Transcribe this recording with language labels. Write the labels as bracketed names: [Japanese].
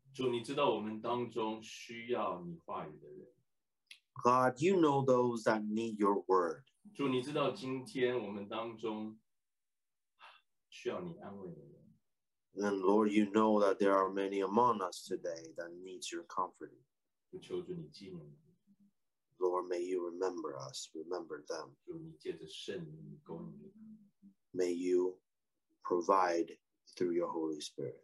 [Chinese] 主，你知道我们当中需要你话语的人。 [English] God, you know those that need your word. [Chinese] 主，你知道今天我们当中需要你安慰的人。 [English] And Lord, you know that there are many among us today that needs your comforting. [Chinese] 主，求主你纪念。 [English] Lord, may you remember us, remember them. [Chinese] 主，你借着圣灵供应。 [English] May you provide through your Holy Spirit.